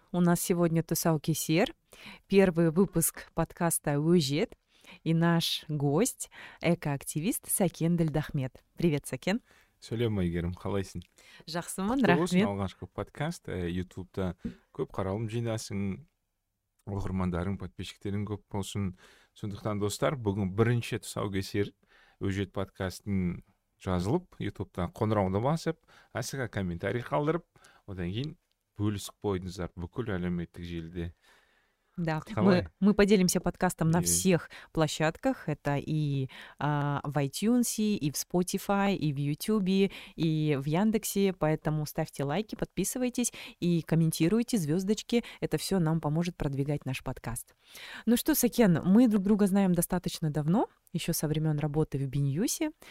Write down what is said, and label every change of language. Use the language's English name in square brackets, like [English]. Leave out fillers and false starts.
[Russian] У нас сегодня тусаукесер. Первый выпуск подкаста «Өжет». И наш гость – экоактивист Сәкен Ділдахмет. Привет, Сәкен! [Kazakh] Сәлем, Айгерім, қалайсың? Жақсымын, рахмет! Құтты болсын, алғашқы подкаст. YouTube-та көп қаралым жинасың. Оқырмандарың, подписчиктерің көп болсын. Сондықтан, достар, бүгін бірінші тусаукесер «Өжет» подкастың жазылып, YouTube-тан қоңырауды басып, асыға комментарий қалдырып, одан кейін бөлісіп қойдыңыздар бүкіл әлеуметтік желіде. [Russian] Да, мы поделимся подкастом на всех площадках. Это и в iTunes, и в Spotify, и в YouTube, и в Яндексе. Поэтому ставьте лайки, подписывайтесь и комментируйте, звездочки. Это все нам поможет продвигать наш подкаст. Ну что, Сәкен, мы друг друга знаем достаточно давно, еще со времен работы в Биньюсе.